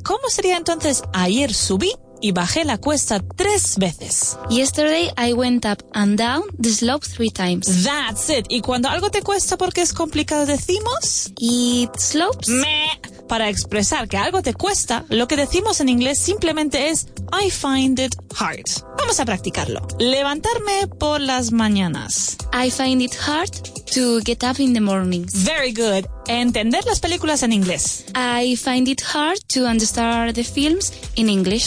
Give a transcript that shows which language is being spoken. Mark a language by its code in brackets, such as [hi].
[es] ¿Cómo sería entonces ayer subí y bajé la cuesta 3 veces? [en] Yesterday I went up and down the slope 3 times. That's it. [es] ¿Y cuando algo te cuesta porque es complicado decimos? [en] It slopes. Meh. [es] Para expresar que algo te cuesta, lo que decimos en inglés simplemente es [en] I find it hard. [es] Vamos a practicarlo. Levantarme por las mañanas. [en] I find it hard to get up in the mornings. Very good. [es] Entender las películas en inglés. [en] I find it hard to understand the films in English.